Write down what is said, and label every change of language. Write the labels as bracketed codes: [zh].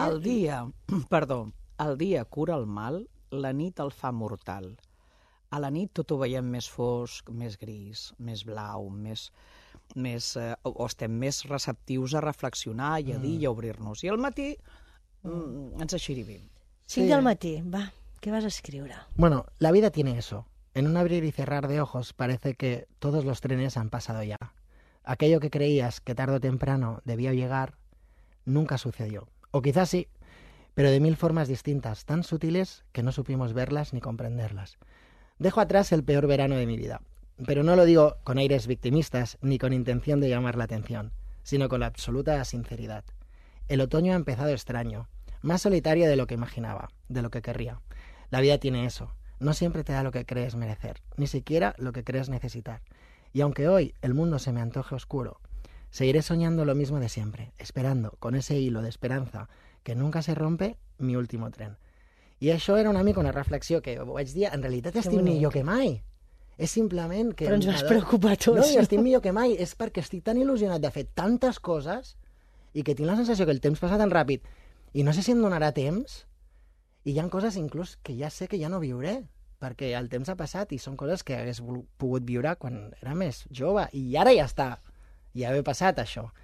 [ca] El dia cura el mal, la nit el fa mortal. A la nit tot ho veiem més fosc, més gris, més blau, més, o estem més receptius a reflexionar i a dir i a obrir-nos. I al matí ens aixerivim. Sí. 5 del matí, va, què vas a escriure? [es] Bueno, la vida tiene eso. En un abrir y cerrar de ojos parece que todos los trenes han pasado ya. Aquello que creías que tarde o temprano debía llegar nunca sucedió. O quizás sí, pero de mil formas distintas, tan sutiles que no supimos verlas ni comprenderlas. Dejo atrás el peor verano de mi vida, pero no lo digo con aires victimistas ni con intención de llamar la atención, sino con la absoluta sinceridad. El otoño ha empezado extraño, más solitaria de lo que imaginaba, de lo que querría. La vida tiene eso. No siempre te da lo que crees merecer, ni siquiera lo que crees necesitar. Y aunque hoy el mundo se me antoje oscuro, seguiré soñando lo mismo de siempre, esperando, con ese hilo de esperanza que nunca se rompe, mi último tren. [ca] Y això era una mica una reflexió que vaig dir, en realitat estic millor que mai. És simplement que... Però ens vas preocupar tots. No, jo estic millor que mai. És perquè estic tan il·lusionat de fer tantes coses i que tinc la sensació que el temps passa tan ràpid... I no sé si em donarà temps. I hi ha coses inclús que ja sé que ja no viuré, perquè el temps ha passat i són coses que hagués pogut viure quan era més jove. I ara ja està. Ja ve passat això.